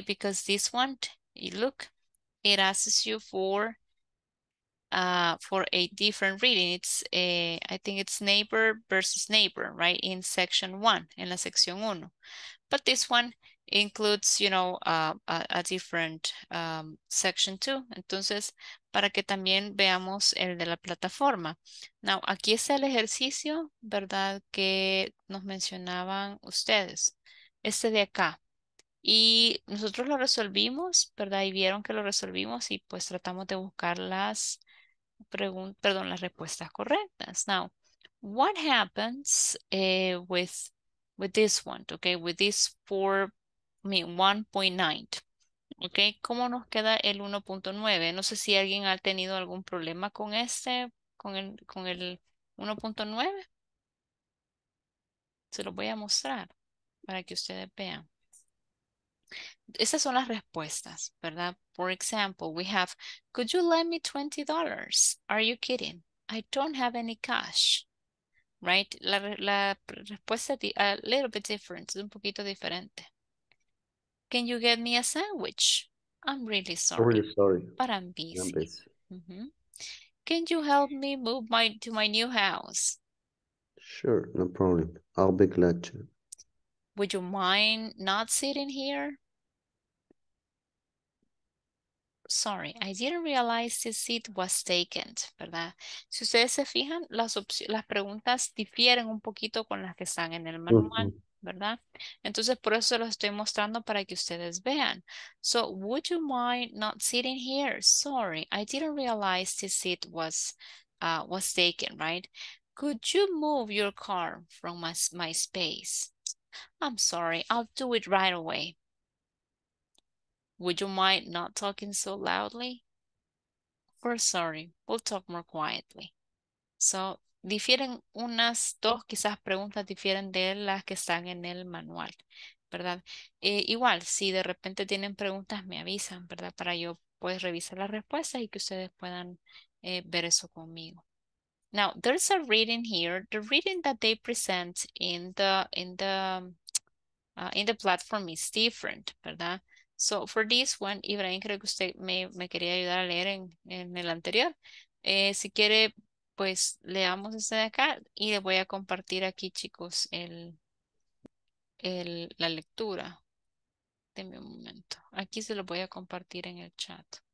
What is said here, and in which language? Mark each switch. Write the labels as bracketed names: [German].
[English] Because this one, you look, it asks you for a different reading. I think it's neighbor versus neighbor, right? In section one, [Spanish] en la sección uno. [English] But this one includes, you know, a different section too. [Spanish] Entonces, para que también veamos el de la plataforma. Now, aquí está el ejercicio, ¿verdad? Que nos mencionaban ustedes. Este de acá. Y nosotros lo resolvimos, ¿verdad? Y vieron que lo resolvimos y pues tratamos de buscar las respuestas correctas. [English] Now, what happens with this one, okay, with this 1.9, okay, [Spanish] ¿cómo nos queda el 1.9? No sé si alguien ha tenido algún problema con este, con el 1.9. Se lo voy a mostrar para que ustedes vean. Estas son las respuestas, ¿verdad? [English] For example, we have, could you lend me $20? Are you kidding? I don't have any cash. Right? La respuesta es a little bit different, es un poquito diferente. Can you get me a sandwich? I'm really sorry. I'm really sorry. But I'm busy. I'm busy. Mm-hmm. Can you help me move to my new house? Sure, no problem. I'll be glad to. Would you mind not sitting here? Sorry, I didn't realize this seat was taken, ¿verdad? [Spanish] Si ustedes se fijan, las preguntas difieren un poquito con las que están en el manual, ¿verdad? Entonces, por eso se los estoy mostrando para que ustedes vean. [English] So, would you mind not sitting here? Sorry, I didn't realize this seat was taken, right? Could you move your car from my space? I'm sorry, I'll do it right away. Would you mind not talking so loudly? We're sorry, we'll talk more quietly. [Spanish] So, difieren unas dos, quizás preguntas difieren de las que están en el manual, ¿verdad? Igual, si de repente tienen preguntas, me avisan, ¿verdad? Para yo poder revisar las respuestas y que ustedes puedan ver eso conmigo. [English] Now, there's a reading here. The reading that they present in the platform is different, ¿verdad? [Spanish] So for this one, Ibrahim, creo que usted me quería ayudar a leer en el anterior. Si quiere, pues leamos este de acá y le voy a compartir aquí, chicos, la lectura. Denme un momento. Aquí se lo voy a compartir en el chat.